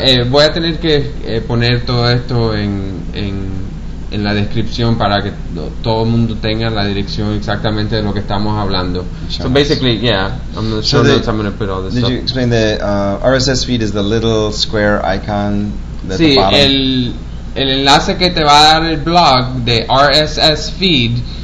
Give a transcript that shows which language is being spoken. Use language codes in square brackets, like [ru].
[es] Voy a tener que poner todo esto en la descripción para que todo el mundo tenga la dirección exactamente de lo que estamos hablando. [en] So basically, I'm going to put all this did stuff. Did you explain the RSS feed is the little square icon at the bottom? [es] El enlace que te va a dar el blog de RSS feed